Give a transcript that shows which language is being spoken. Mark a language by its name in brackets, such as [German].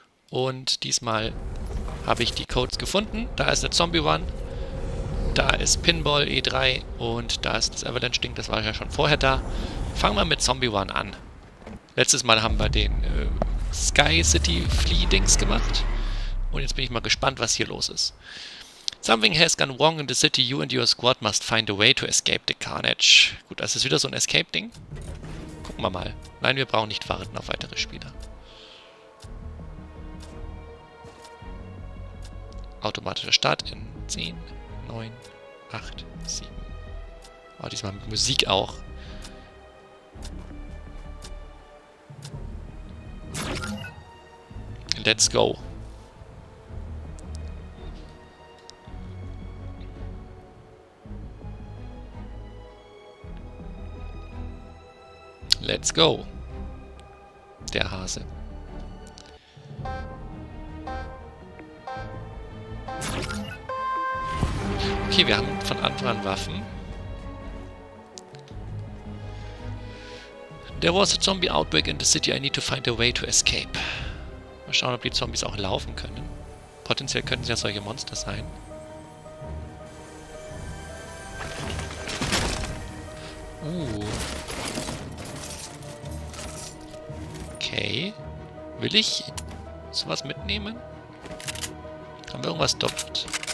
[German] Und diesmal habe ich die Codes gefunden. Da ist der Zombie One, da ist Pinball E3 und da ist das Avalanche Ding, das war ja schon vorher da. Fangen wir mit Zombie One an. Letztes Mal haben wir den Sky City Flea Dings gemacht. Und jetzt bin ich mal gespannt, was hier los ist. [English] Something has gone wrong in the city. You and your squad must find a way to escape the carnage. [German] Gut, das ist wieder so ein Escape Ding. Gucken wir mal. Nein, wir brauchen nicht warten auf weitere Spieler. Automatischer Start in 10, 9, 8, 7. Oh, diesmal mit Musik auch. [English] Let's go. Let's go. [German] Der Hase. Okay, wir haben von Anfang an Waffen. [English] There was a zombie outbreak in the city. I need to find a way to escape. [German] Mal schauen, ob die Zombies auch laufen können. Potenziell könnten sie ja solche Monster sein. Okay. Will ich sowas mitnehmen? Haben wir irgendwas doppelt?